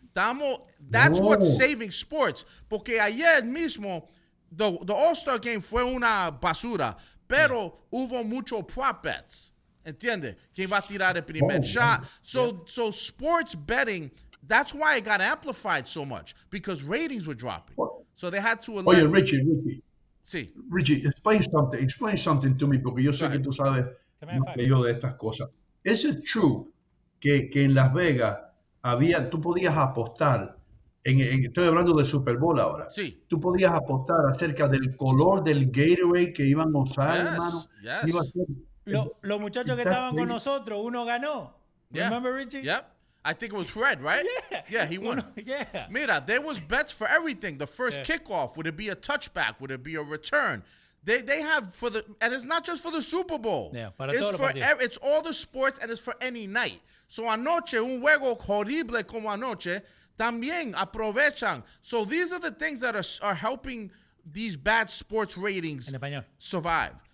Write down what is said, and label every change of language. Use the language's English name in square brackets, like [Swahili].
[English] That's what's saving sports. [Spanish] Porque ayer mismo, [English] the All-Star Game [Spanish] fue una basura, pero hubo muchos [English] prop bets. [Spanish] ¿Entiendes? ¿Quién va a tirar el primer shot? [English] So sports betting, that's why it got amplified so much, because ratings were dropping. So they had to [Spanish] elect. Oye, Richie. Sí. Richie, [English] explain something to me, [Spanish] porque yo sé que tú sabes más que yo de estas cosas. ¿Es true que en Las Vegas tú podías apostar, estoy hablando de Super Bowl ahora, sí. Tú podías apostar acerca del color del Gatorade que iban a usar, [English] yes, [Spanish] hermano? [English] Yes. Si [Spanish] iba a ser Los muchachos que estaban con nosotros, uno ganó. [English] Yeah. Remember, Richie? Yep. I think it was Fred, right? Yeah. Yeah, he won. [Spanish] Uno, yeah. [English] Mira, there was bets for everything. The first kickoff, would it be a touchback? Would it be a return? They have for the, and it's not just for the Super Bowl. Yeah, [Spanish] para [English] it's [Spanish] todo [English] for [Spanish] el partido. [English] It's all the sports, and it's for any night. [Spanish] So anoche, un juego horrible como anoche, también aprovechan. [English] So these are the things that are helping these bad sports ratings survive.